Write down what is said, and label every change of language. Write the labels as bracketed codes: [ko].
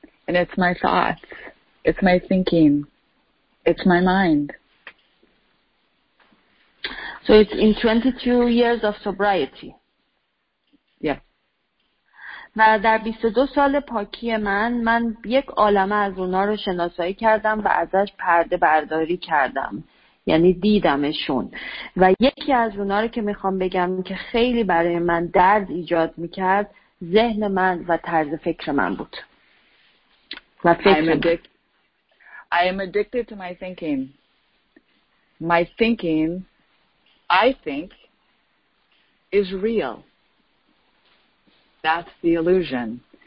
[en] And it's my thoughts, it's my thinking, it's my mind. So it's in 22 years of sobriety. Yeah. [fa] و در 22 سال پاکی من یک عالمه از اونا رو شناسایی کردم و ازش پرده برداری کردم. یعنی دیدمشون. و یکی از اونا رو که میخوام بگم که خیلی برای من درد ایجاد میکرد، ذهن من و طرز فکر من بود. و فکر من. [en] I am addicted to my thinking. My thinking, I think, is real. That's the illusion.